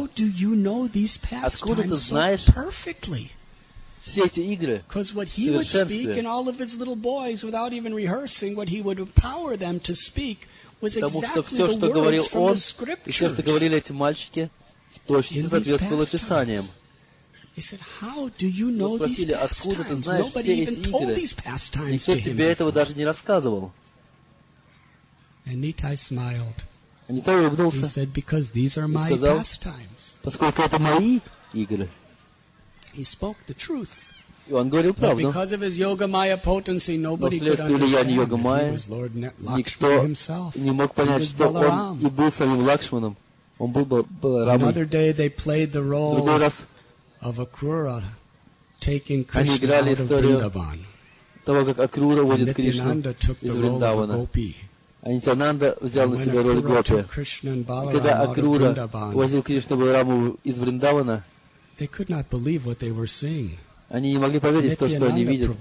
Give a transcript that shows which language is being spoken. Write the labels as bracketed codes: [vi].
[en] how do you know these past times so perfectly? [ru] Все эти игры. [en] Because what he would speak and all of his little boys without even rehearsing, what he would empower them to speak was exactly the words from the scriptures. [ru] И все, что говорили эти мальчики, в точности соответствовало Писаниям. [en] He said, how do you know these past times? Nobody even told these past times to him. [ru] Никто тебе этого даже не рассказывал. [en] And Nitai smiled. And [ru] Nitai улыбнулся. [en] He said, because these are my pastimes. [ru] Поскольку это мои игры. [en] He spoke the truth. [ru] И он говорил правду. [en] But because of his yoga maya potency, nobody could understand [ru] влияния йога майя, [en] that he was Lord Lakshmi himself. [ru] Никто не мог понять, что он и был самим Лакшманом. Он был Баларамой. [en] Another day they played the role of Акрура taking Krishna out of Vrindavan. [ru] Того, как Акрура водит Кришну из Вриндавана. А Нитянанда взял на себя роль Гопи. И когда Акрура возил Кришну Балараму из Вриндавана, они не могли поверить в то, что они видят.